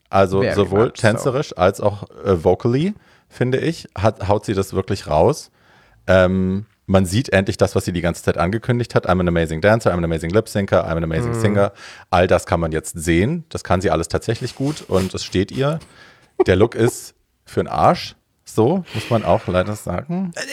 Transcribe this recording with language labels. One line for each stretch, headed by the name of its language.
German: Also very sowohl tänzerisch so. Als auch vocally, finde ich, haut sie das wirklich raus. Man sieht endlich das, was sie die ganze Zeit angekündigt hat.
English: I'm an amazing dancer, I'm an amazing lip syncer, I'm an amazing singer.
German: All das kann man jetzt sehen. Das kann sie alles tatsächlich gut und es steht ihr. Der Look ist für den Arsch. So muss man auch leider sagen.